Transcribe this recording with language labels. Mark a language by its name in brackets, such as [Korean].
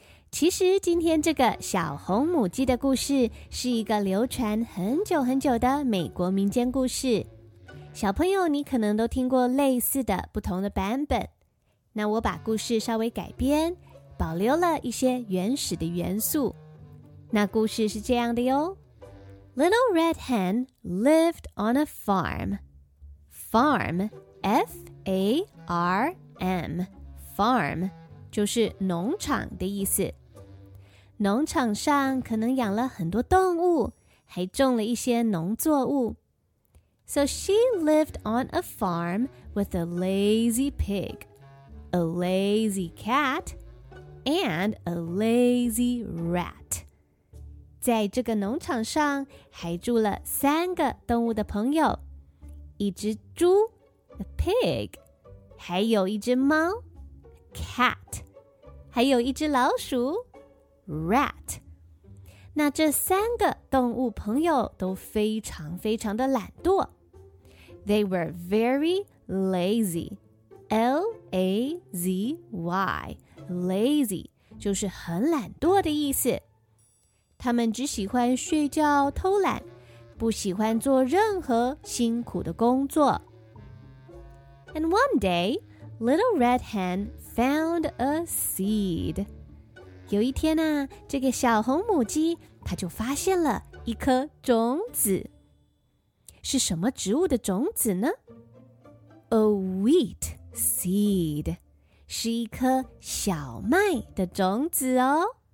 [Chinese] 其实今天这个小红母鸡的故事是一个流传很久很久的美国民间故事。小朋友，你可能都听过类似的不同的版本。那我把故事稍微改编，保留了一些原始的元素。那故事是这样的哟。 [English] Little Red Hen lived on a farm. [Chinese] Farm, F-A-R-M, farm, 就是农场的意思。农场上可能养了很多动物，还种了一些农作物。 [English] So she lived on a farm with a lazy pig, a lazy cat, and a lazy rat. [Chinese] 在这个农场上还住了三个动物的朋友，一只猪A pig, 还有一只猫 cat, 还有一只老鼠 rat. 那这三个动物朋友都非常非常的懒惰。 [English] They were very lazy. L-A-Z-Y, lazy, [Chinese] 就是很懒惰的意思。他们只喜欢睡觉偷懒，不喜欢做任何辛苦的工作。 [English] And one day, Little Red Hen found a seed. [Chinese] 有一天啊，这个小红母鸡它就发现了一颗种子。是什么植物的种子呢？ [English] a wheat seed. [Chinese] 是一颗小麦的种子哦。